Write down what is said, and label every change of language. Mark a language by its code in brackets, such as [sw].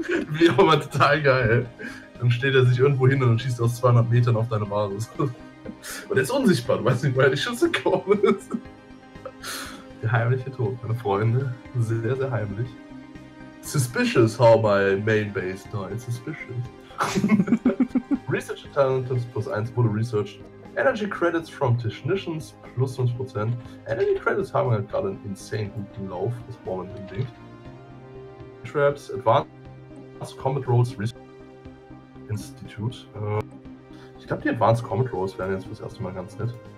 [de] Wie auch immer, total geil. Dann steht er sich irgendwo hin und schießt aus 200 Metern auf deine Basis. Und er ist unsichtbar, du weißt nicht, woher die Schüsse kommen. Der heimliche Tod, meine Freunde. Sehr, sehr heimlich. [en] Suspicious, how my main base died. Suspicious. Research Intelligence plus 1 wurde researched. Energy Credits from Technicians plus 20%. [de] Energy Credits haben halt gerade einen insane guten Lauf, das brauchen wir unbedingt. [en] Traps, Advanced Combat Roles Research Institute. [de] Ich glaube, die Advanced Combat Rolls wären jetzt fürs erste Mal ganz nett.